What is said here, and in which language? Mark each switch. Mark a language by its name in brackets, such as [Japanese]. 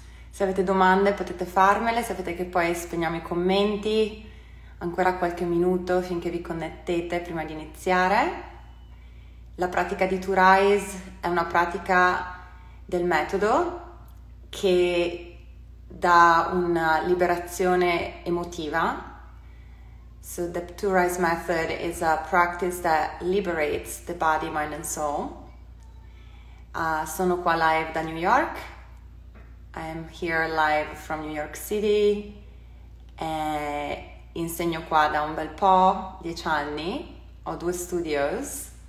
[Italian] Se avete domande potete farmele, sapete che poi spegniamo i commenti, ancora qualche minuto finché vi connettete prima di iniziare. La pratica di Turaise è una pratica del metodo che dà una liberazione emotiva. [English] So the Turaise method is a practice that liberates the body, mind and soul. [Italian] Sono qua live da New York. [English] I'm here live from New York City [Italian] e insegno qua da un bel po', 10 anni, ho due studios